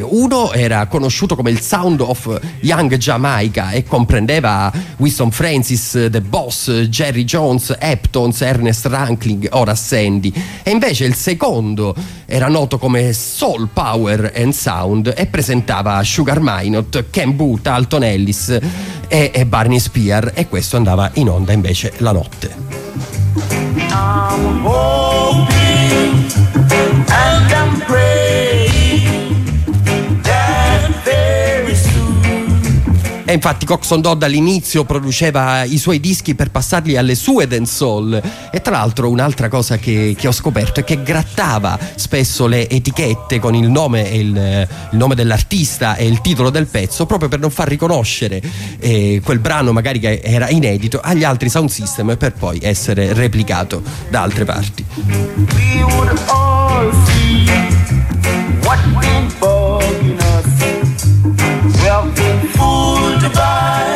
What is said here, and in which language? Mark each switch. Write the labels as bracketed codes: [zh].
[it] Uno era conosciuto come il Sound of Young Jamaica e comprendeva Winston Francis, The Boss, Jerry Jones, Eptons, Ernest Ranklin, ora Sandy. E invece il secondo era noto come Soul Power and Sound e presentava Sugar Minot, Ken Booth, Alton Ellis e Barney Spear, e questo andava in onda invece la notte. [en] I'm hoping and I'm praying that very soon. [it] E infatti Coxon Dodd all'inizio produceva i suoi dischi per passarli alle sue dancehall. E tra l'altro un'altra cosa che ho scoperto è che grattava spesso le etichette con il nome e il nome dell'artista e il titolo del pezzo, proprio per non far riconoscere quel brano, magari che era inedito, agli altri sound system, per poi essere replicato da altre parti. [en] We would all see what been bugging us. We have been fooled by